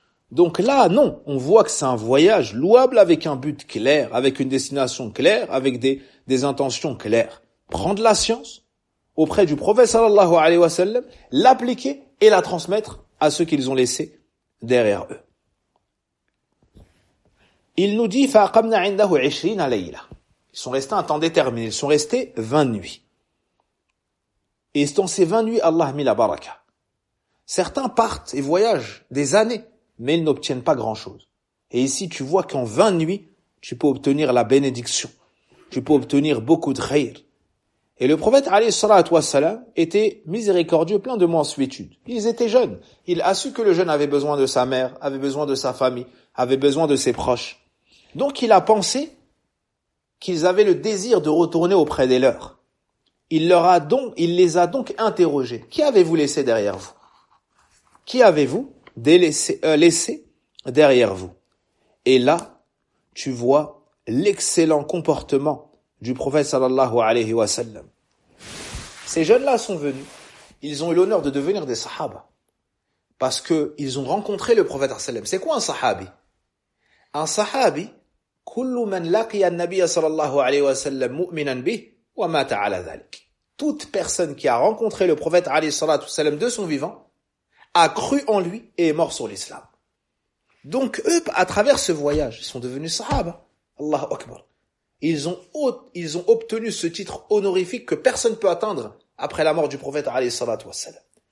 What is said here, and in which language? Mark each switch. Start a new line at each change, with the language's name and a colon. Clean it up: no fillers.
French: Donc là, non, on voit que c'est un voyage louable avec un but clair, avec une destination claire, avec des intentions claires. Prendre la science auprès du prophète sallallahu alayhi wa sallam, l'appliquer et la transmettre à ceux qu'ils ont laissés derrière eux. Il nous dit,
Arabic: فَاقَمْنَا عِنْدَهُ عِشْرِينَ لَيْلَةً.
French: Ils sont restés un temps déterminé. Ils sont restés 20 nuits. Et dans ces 20 nuits, Allah a mis la baraka. Certains partent et voyagent des années, mais ils n'obtiennent pas grand-chose. Et ici, tu vois qu'en 20 nuits, tu peux obtenir la bénédiction. Tu peux obtenir beaucoup de khayr. Et le prophète, alayhi salat wa salam, était miséricordieux, plein de mansuétude. Ils étaient jeunes. Il a su que le jeune avait besoin de sa mère, avait besoin de sa famille, avait besoin de ses proches. Donc, il a pensé qu'ils avaient le désir de retourner auprès des leurs. Il les a donc interrogés. Qui avez-vous laissé derrière vous? Qui avez-vous laissé derrière vous? Et là, tu vois l'excellent comportement du prophète sallallahu alayhi wa sallam. Ces jeunes-là sont venus. Ils ont eu l'honneur de devenir des sahabas. Parce que ils ont rencontré le prophète sallallahu alayhi wa sallam. C'est quoi un sahabi? Un sahabi,
Arabic: كل من لقي النبي صلى الله عليه وسلم مؤمنا به ومات على ذلك.
French: Toute personne qui a rencontré le prophète
Arabic: عليه الصلاة والسلام
French: de son vivant a cru en lui et est mort sur l'islam. Donc eux, à travers ce voyage, ils sont devenus sahaba. Allahu Akbar. Ils ont obtenu ce titre honorifique que personne peut atteindre après la mort du prophète
Arabic: عليه الصلاة والسلام.